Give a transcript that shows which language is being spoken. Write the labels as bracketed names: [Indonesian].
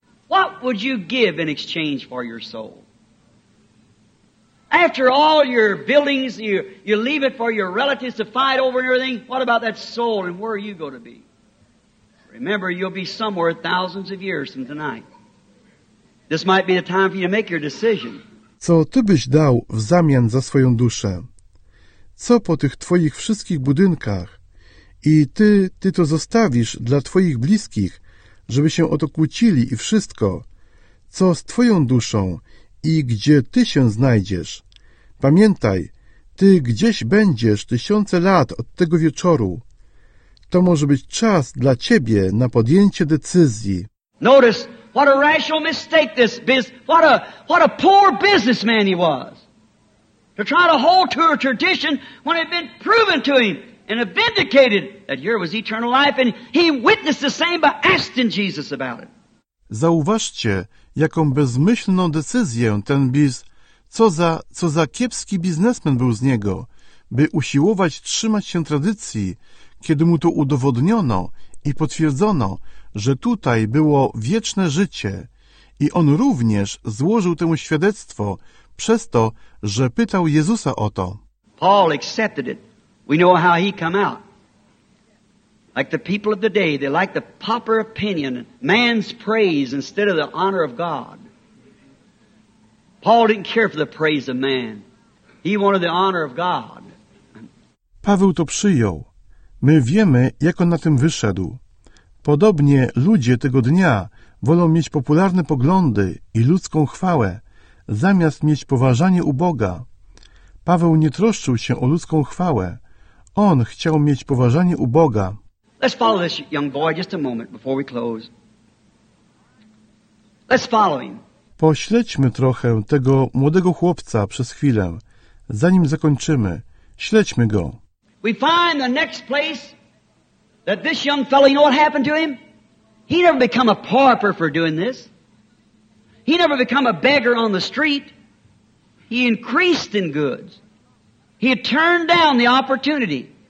[English] What would you give in exchange for your soul? After all your buildings, you leave it for your relatives to fight over and everything. What about that soul and where are you going to be? Remember, you'll be somewhere thousands of years from tonight. This might be the time for you to make your decision. [Polish] Co ty byś dał w zamian za swoją duszę? Co po tych twoich wszystkich budynkach? I ty to zostawisz dla twoich bliskich, żeby się o to kłócili i wszystko. Co z twoją duszą i gdzie ty się znajdziesz? Pamiętaj, ty gdzieś będziesz tysiące lat od tego wieczoru. To może być czas dla ciebie na podjęcie decyzji. [English] Notice what a rational mistake this is. What a poor businessman he was. To try to hold to a tradition when it had been proven to him. And it vindicated that here was eternal life, and he witnessed the same by asking Jesus about it. [Polish] Zauważcie, jaką bezmyślną decyzję ten co za kiepski biznesmen był z niego, by usiłować trzymać się tradycji, kiedy mu to udowodniono i potwierdzono, że tutaj było wieczne życie. I on również złożył temu świadectwo przez to, że pytał Jezusa o to. [English] Paul accepted it. We know how he come out. Like the people of the day, they like the pauper opinion, man's praise instead of the honor of God. Paul didn't care for the praise of man. He wanted the honor of God. [Polish] Paweł to przyjął. My wiemy, jak on na tym wyszedł. Podobnie ludzie tego dnia wolą mieć popularne poglądy i ludzką chwałę, zamiast mieć poważanie u Boga. Paweł nie troszczył się o ludzką chwałę. On chciał mieć poważanie u Boga. [English] Let's follow this young boy just a moment before we close. Let's follow him. [Polish] Pośledźmy trochę tego młodego chłopca przez chwilę, zanim zakończymy. Śledźmy go. [English] We find the next place that this young fellow, you know what happened to him? He never become a pauper for doing this. He never become a beggar on the street. He increased in goods. He had turned down the opportunity.